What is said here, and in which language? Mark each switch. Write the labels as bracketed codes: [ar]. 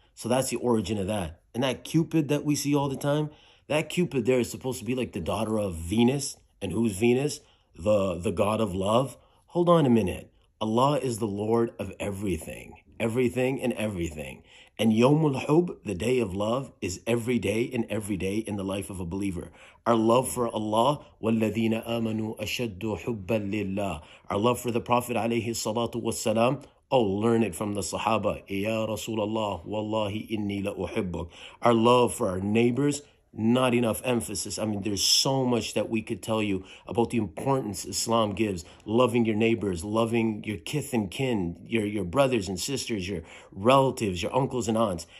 [en] So that's the origin of that. And that Cupid that we see all the time, that Cupid there is supposed to be like the daughter of Venus. And who's Venus? The god of love. Hold on a minute. Allah is the Lord of everything. Everything and everything. And Yom al-Hub, the day of love, is every day and every day in the life of a believer. Our love for Allah, [ar] وَالَّذِينَ آمَنُوا أَشَدُّ حُبًّا لِلَّهِ. [en] Our love for the Prophet عليه الصلاة والسلام. Oh, learn it from the Sahaba. [ar] يَا رَسُولَ اللَّهِ وَاللَّهِ إِنِّي لَأُحِبُّكَ. [en] Our love for our neighbors, not enough emphasis. I mean, there's so much that we could tell you about the importance Islam gives. Loving your neighbors, loving your kith and kin, your brothers and sisters, your relatives, your uncles and aunts.